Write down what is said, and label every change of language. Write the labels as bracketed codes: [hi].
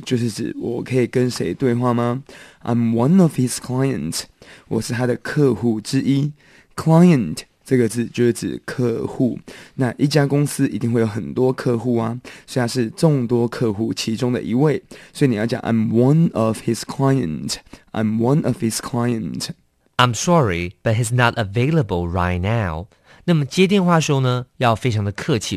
[zh] 就是指我可以跟谁对话吗？ [en] I'm one of his clients. [zh] 我是他的客户之一。 Client 这个字就是指客户。那一家公司一定会有很多客户啊，所以他是众多客户其中的一位。所以你要讲 [en] I'm one of his clients. I'm one of his clients. I'm sorry, but he's not available right now. [zh] 那么接电话的时候呢，要非常的客气。